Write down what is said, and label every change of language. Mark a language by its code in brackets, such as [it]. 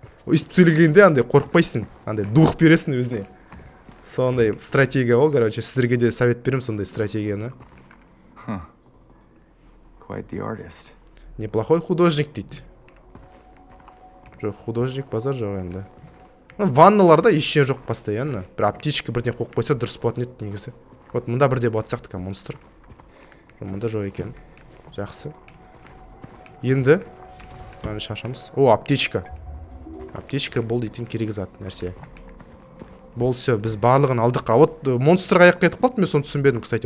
[kk] Өйстіп сөйлегенде андай қорықпайсың, андай дух бересің өзіне. Сондай стратегия ол, короче, сіздерге де совет беремін сондай стратегияны. [en] Quite the artist. [ru] Неплохой художник [kk] дейді. Жоқ, художник базар жоқ енді. Ванналарда ещё жоқ постоянно. Бір аптечка бірден қойып қойса дұрыс болатын еді негізі. Вот мында бірде болатын сияқты кәдімгі монстр. Мында жоқ екен. Жақсы. Енді мынаны шашамыз. О, аптечка. Аптечка бұл дейтін керек зат нәрсе. Бұл все, біз барлығын алдық. [ru] А вот монстр [kk] қаяққа кетіп қалды, мен соны түсінбедім, кстати.